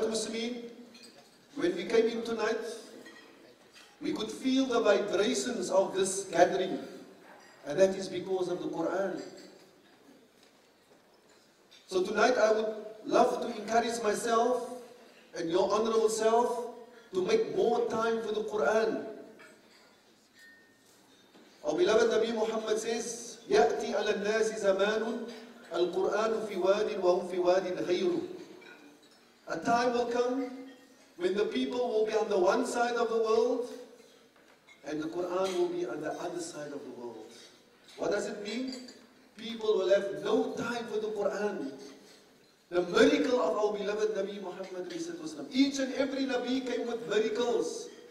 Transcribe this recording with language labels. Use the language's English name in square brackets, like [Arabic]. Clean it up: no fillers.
[English] Jamaat Muslimin, when we came in tonight, we could feel the vibrations of this gathering, and that is because of the Quran. So tonight I would love to encourage myself and your honorable self to make more time for the Quran. Our beloved Nabi Muhammad says, [Arabic] يَأْتِي عَلَى النَّاسِ زَمَانٌ الْقُرْآنُ فِي وَادٍ وَهُمْ فِي وَادٍ غَيْرُ. [English] A time will come when the people will be on the one side of the world and the Quran will be on the other side of the world. What does it mean? People will have no time for the Quran. The miracle of our beloved Nabi Muhammad, each and every Nabi came with miracles.